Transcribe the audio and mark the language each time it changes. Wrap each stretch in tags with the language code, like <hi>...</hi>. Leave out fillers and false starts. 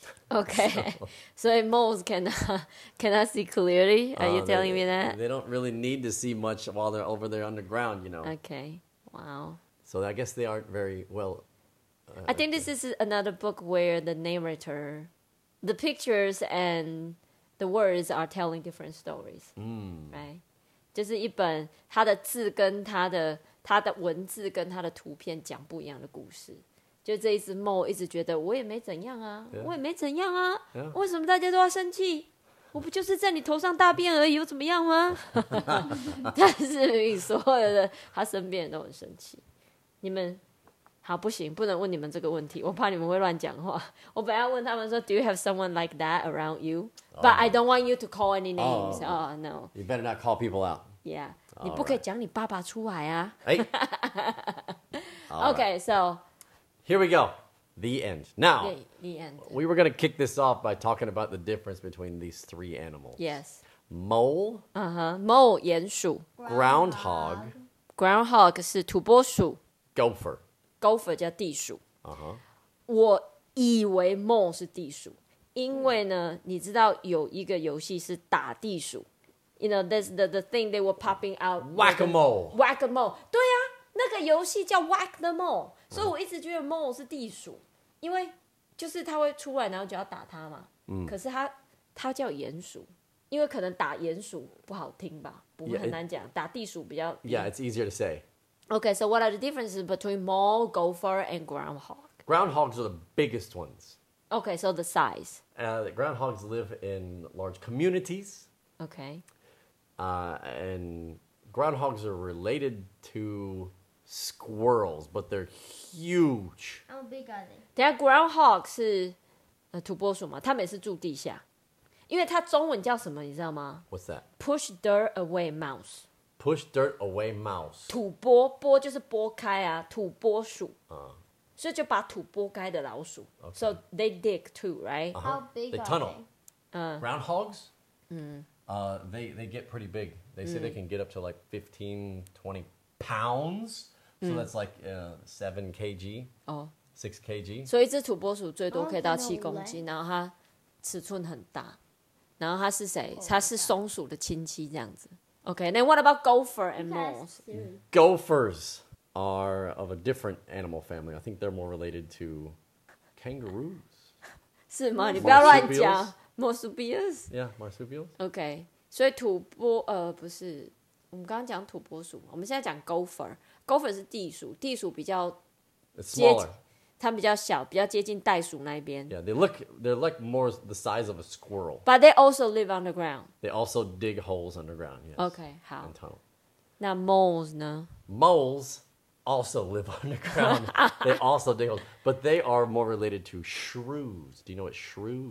<en>Okay, so moles cannot see clearly. Are you telling me that? They don't really need to see much while they're over there underground, you know. Okay, wow. So I guess they aren't very well. I think this is another book where the narrator, the pictures and... The words are telling different stories,、 mm. right?</en> <zh>就是一本它的字跟它的文字跟它的图片讲不一样的故事。就这一只猫一直觉得我也没怎样啊，</zh> <en>yeah.</en> <zh>我也没怎样啊，</zh> <en>yeah.</en> <zh>为什么大家都要生气？我不就是在你头上大便而已，又怎么样吗？但是所有的他身边都很生气。你们好，不行，不能问你们这个问题，我怕你们会乱讲话。我本来要问他们说</zh> <en>，Do you have someone like that around you? But I don't want you to call any names. Oh, no. You better not call people out. Yeah.</en> <zh>你不可以讲你爸爸出来啊。</zh> <en>Hey. Okay, so. Here we go. The end. Now. The end. We were going to kick this off by talking about the difference between these three animals. Yes. Mole. Uh-huh. Mole, 鼹鼠. Groundhog.</en> <zh>Groundhog 是土拨鼠.</zh> <en>Gopher.</en> <zh>Gopher 叫地鼠.</zh> <en>Uh-huh.</en> <zh>我以为 mole 是地鼠。因为呢，你知道有一个游戏是打地鼠 ，</zh> <en>you know that's the thing they were popping out whack a mole</en> <zh>whack a mole， 对啊，那个游戏叫 whack the mole， 所以我一直觉得 mole 是地鼠，因为就是它会出来，然后就要打它嘛。嗯、可是它叫鼹鼠，因为可能打鼹鼠不好听吧，不会很难讲，</zh> <en>yeah,</en> <zh>打地鼠比较。</zh> <en>Yeah, it's easier to say. Okay, so what are the differences between mole, gopher, and groundhog? Groundhogs are the biggest ones. Okay, so the size. The groundhogs live in large communities. Okay. And groundhogs are related to squirrels, but they're huge. How big are they?</en> <zh>等下 groundhog 是土拨鼠嘛？他们也是住地下，因为它中文叫什么？你知道吗</zh> <en>？What's that? Push dirt away, mouse. Push dirt away, mouse.</en> <zh>土拨拨就是拨开啊，土拨鼠。所以就把土拨开的老鼠、</zh> <en>okay. So they dig too, right? Uh-huh. How big they tunnel. Are they? Groundhogs? They get pretty big. They say they can get up to like 15, 20 pounds. So that's like 7 kg. Oh. 6 kg.</en> <zh>所以一只土拨鼠最多可以到7公斤，然后它尺寸很大。然后它是谁？它是松鼠的亲戚这样子。</zh> <en>Okay, then what about gopher and moles? Gophers. Are of a different animal family. I think they're more related to kangaroos.</en> <zh>是吗？你不要乱讲。Marsupials.</zh> <en>Yeah, marsupials.</en> <zh>Okay. 所以土拨不是我们刚刚讲土拨鼠，我们现在讲 gopher. Gopher 是地鼠，地鼠比较</zh> <en>smaller.</en> <zh>它比较小，比较接近袋鼠那一边。</zh> <en>Yeah, they're like more the size of a squirrel. But they also live underground. They also dig holes underground. Yes. Okay. 好。 And tunnel.</en> <zh>那 moles 呢？</zh> <en>Moles also live underground. They also dig holes. But they are more related to shrews. Do you know what shrews</en>